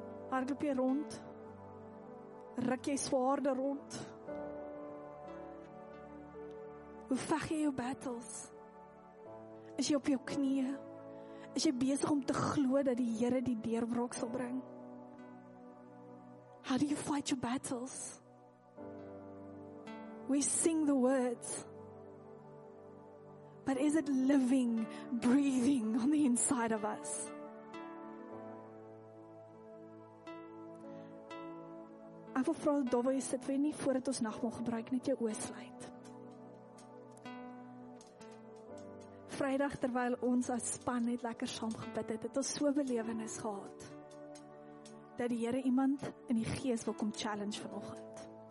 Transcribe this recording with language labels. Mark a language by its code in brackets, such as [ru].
[af] Hardloop jy rond? Ruk jy swaarde rond? Hoe veg jy jou battles? Is jy op jou knieë? Is jy besig om te glo dat die Here die deurbraak sal bring? [en] How do you fight your battles? We sing the words. But is it living, breathing on the inside of us? [af] Ek wil vra, daar waar jy sit, wil jy nie voordat ons nagmaal gebruik net jou oë sluit. Vrydag terwyl ons as span net lekker saam gebid het, het ons so belewenis gehad dat die Here iemand in die gees wil kom challenge vanoggend.